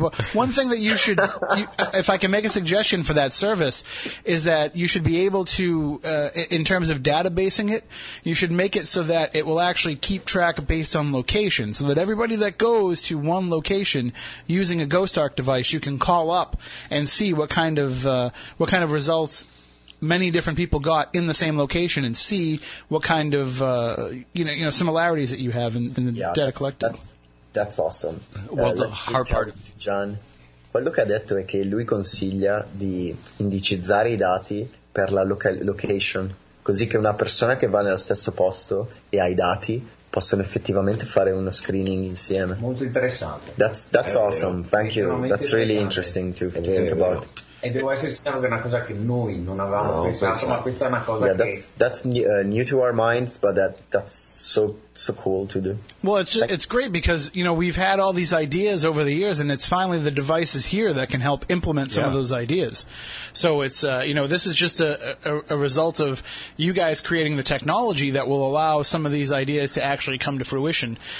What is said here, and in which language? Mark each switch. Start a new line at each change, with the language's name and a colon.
English: But one thing that you should, if I can make a suggestion for that service, is that you should be able to, in terms of databasing it, you should make it so that it will actually keep track based on location, so that everybody that goes to one location using a GhostArk device, you can call up and see what kind of results many different people got in the same location and see what kind of you know similarities that you have in the data collected. That's awesome. Well, the hard part of
Italian: John, quello che ha detto è che lui consiglia di indicizzare I dati per la location, così che una persona che va nello stesso posto e ha I dati possono effettivamente fare uno screening insieme. Molto interessante.
English: That's awesome. Thank you. That's really interesting to think about.
Italian: E devo essere sincero che è una cosa che noi non avevamo pensato, ma questa è una cosa
English: New to our minds, but that's so cool to do. Well, it's great because, you know, we've had all these ideas over the years, and it's finally the devices here that can help implement some of those ideas. So it's, you know, this is just a result of you guys creating the technology that will allow some of these ideas to actually come to fruition.